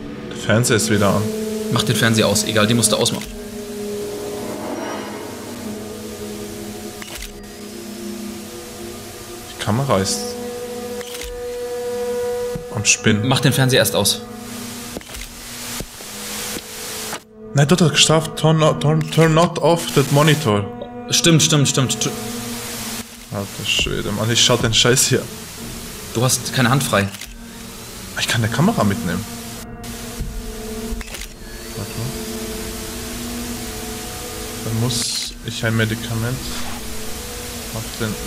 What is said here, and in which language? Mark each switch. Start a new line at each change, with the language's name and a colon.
German: Der Fernseher ist wieder an. Mach den Fernseher aus. Egal, den musst du ausmachen. Die Kamera ist... am Spinnen. Mach den Fernseher erst aus. Nein, du hast gestraft.
English: Turn not off that monitor.
German: Stimmt. Alter Schwede, Mann, ich schau den Scheiß hier. Du hast keine Hand frei. Ich kann eine Kamera mitnehmen. Warte mal. Dann muss ich ein Medikament auf den...